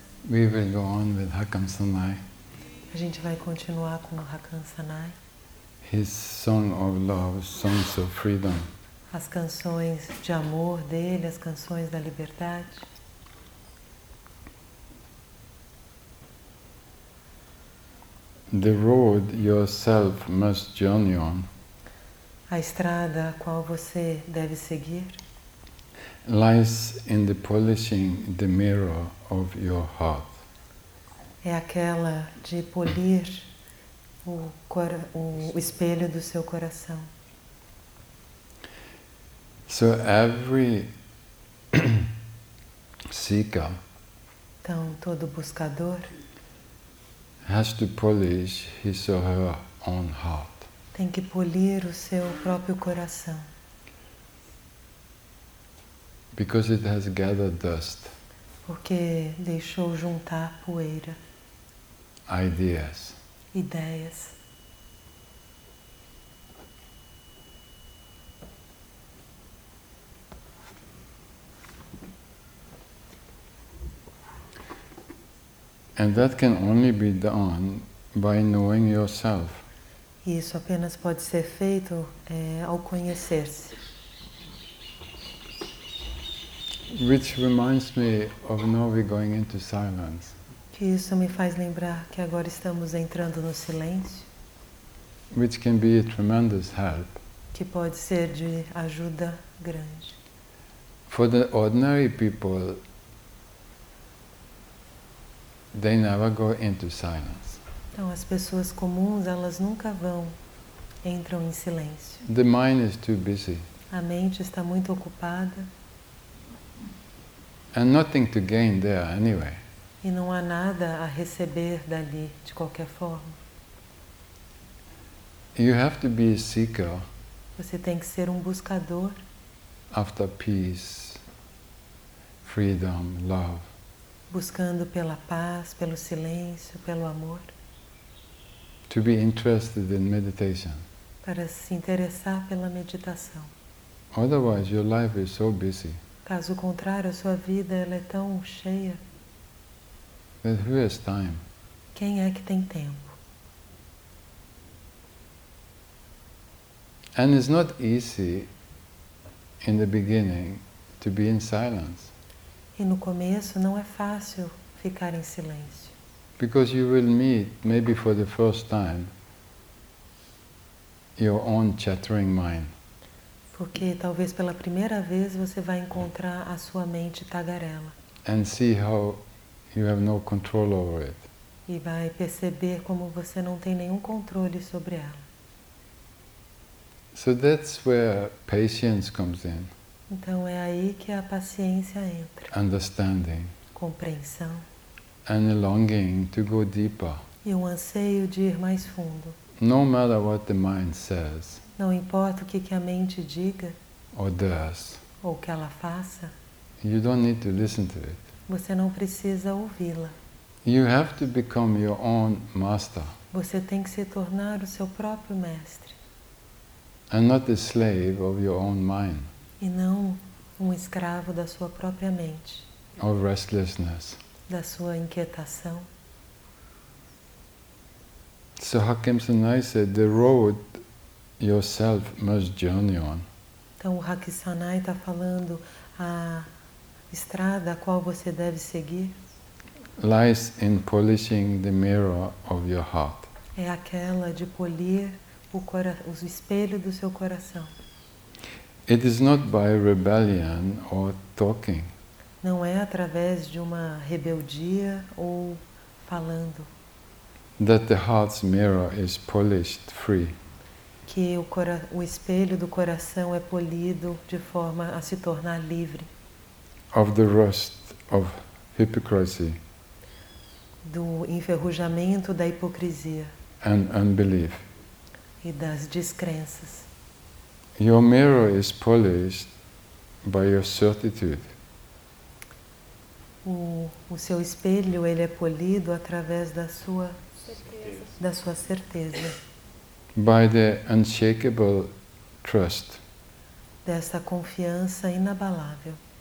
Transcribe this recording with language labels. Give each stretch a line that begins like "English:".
English: We will go on with Hakam Sanai.
Portuguese: A gente vai continuar com o Hakam Sanai.
English: His song of love, songs of freedom.
Portuguese: As canções de amor dele, as canções da liberdade.
English: The road yourself must journey on.
Portuguese: A estrada a qual você deve seguir.
English: Lies in the polishing the mirror of your heart.
Portuguese: É aquela de polir o espelho do seu coração.
English: So every seeker.
Portuguese: Então todo buscador.
English: Has to polish his or her own heart.
Portuguese: Tem que polir o seu próprio coração.
English: Because it has gathered dust.
Portuguese: Porque deixou juntar poeira.
English: Ideas.
Portuguese: Ideias.
English: And that can only be done by knowing yourself.
Portuguese: Isso apenas pode ser feito ao conhecer-se.
English: Which reminds me of now we're going into silence.
Portuguese: Que isso me faz lembrar que agora estamos entrando no silêncio.
English: Which can be a tremendous help.
Portuguese: Que pode ser de ajuda grande.
English: For the ordinary people, they never go into silence.
Portuguese: Então as pessoas comuns, elas nunca vão, entram em silêncio.
English: The mind is too busy.
Portuguese: A mente está muito ocupada.
English: And nothing to gain there anyway.
Portuguese: E não há nada a receber dali, de qualquer forma.
English: You have to be a seeker.
Portuguese: Você tem que ser um buscador.
English: After peace, freedom, love.
Portuguese: Buscando pela paz, pelo silêncio, pelo amor.
English: To be interested in meditation.
Portuguese: Para se interessar pela meditação.
English: Otherwise, your life is so busy.
Portuguese: Caso contrário, a sua vida ela é tão cheia.
English: But who has time?
Portuguese: Quem é que tem tempo?
English: And it's not easy in the beginning to be in silence.
Portuguese: E no começo não é fácil ficar em silêncio.
English: Because you will meet, maybe for the first time, your own chattering mind.
Portuguese: Porque talvez pela primeira vez você vai encontrar a sua mente tagarela.
English: And see how you have no control over it.
Portuguese: E vai perceber como você não tem nenhum controle sobre ela.
English: So that's where patience comes in.
Portuguese: Então é aí que a paciência entra.
English: Understanding.
Portuguese: Compreensão.
English: And a longing to go deeper.
Portuguese: E um anseio de ir mais fundo.
English: No matter what the mind says.
Portuguese: Não importa o que a mente diga.
English: Or does.
Portuguese: Ou que ela faça.
English: You don't need to listen to it.
Portuguese: Você não precisa ouvi-la.
English: You have to become your own master.
Portuguese: Você tem que se tornar o seu próprio mestre.
English: And not the slave of your own mind.
Portuguese: E não um escravo da sua própria mente.
English: Of restlessness.
Portuguese: Da sua inquietação.
English: So Hakam Sanai said, the road yourself must journey on.
Portuguese: Então o Hakam Sanai está falando a estrada a qual você deve seguir
English: lies in polishing the mirror of your heart.
Portuguese: é aquela de polir o espelho do seu coração.
English: It is not by rebellion or talking.
Portuguese: Não é através de uma rebeldia ou falando.
English: That the heart's mirror is polished free.
Portuguese: Que o espelho do coração é polido de forma a se tornar livre.
English: Of the rust of hypocrisy.
Portuguese: Do enferrujamento da hipocrisia.
English: And unbelief.
Portuguese: E das descrenças.
English: Your mirror is polished by your certitude.
Portuguese: O seu espelho, ele é polido através da sua certeza.
English: By the unshakable trust.
Portuguese: Dessa confiança inabalável.